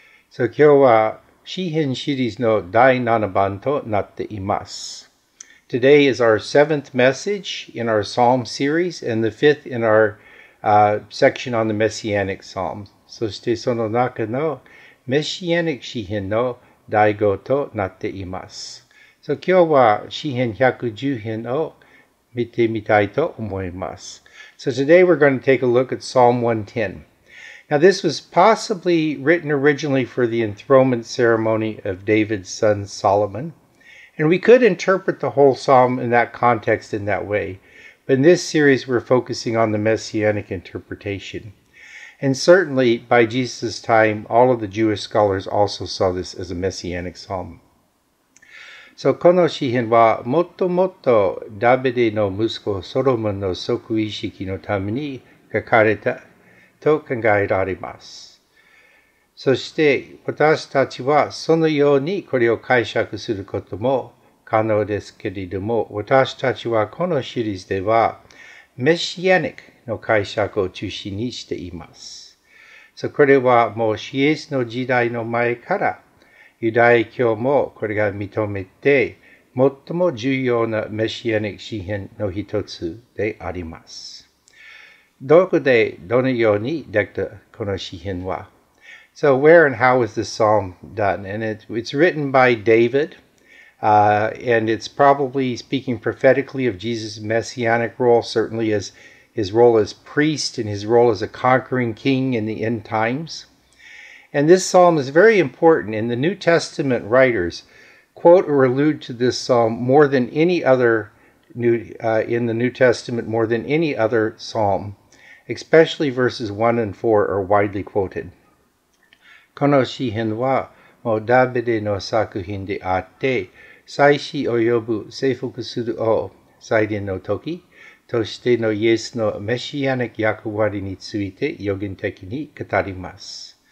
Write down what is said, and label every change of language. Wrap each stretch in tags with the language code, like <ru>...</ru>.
<ja>So, 今日は詩編シリーズの第7番となっています。</ja> <en>Today is our 7th message in our Psalm series and the 5th in our section on the Messianic Psalms.</en> <ja>そしてその中の Messianic 詩編の第5となっています。 So, 今日は詩編110編を見てみたいと思います。</ja> <en>So, today we're going to take a look at Psalm 110. Now, this was possibly written originally for the enthronement ceremony of David's son Solomon. And we could interpret the whole psalm in that context in that way. But in this series, we're focusing on the messianic interpretation. And certainly, by Jesus' time, all of the Jewish scholars also saw this as a messianic psalm.</en> <ja>So, この詩編はもっともっとダビデの息子ソロモンの即位式のために書かれたと考えられます。そして私たちはそのようにこれを解釈することも可能ですけれども、私たちはこのシリーズではメシアニックの解釈を中心にしています。 So, これはもうシエスの時代の前からユダヤ教もこれが認めて最も重要なメシアニック詩編の一つであります。どこでどのようにできたこの詩編は?</ja> <en>So where and how is this psalm done? And it's written by David, and it's probably speaking prophetically of Jesus' messianic role, certainly as his role as priest and his role as a conquering king in the end times. And this psalm is very important, and the New Testament writers quote or allude to this psalm more than any other in the New Testament, more than any other psalm. Especially verses 1 and 4 are widely quoted.</en> <ja>この詩編はもうダビデの作品であって、祭司を呼ぶ征服する王、祭典の時としてのイエスのメシアニック役割について予言的に語ります。</ja>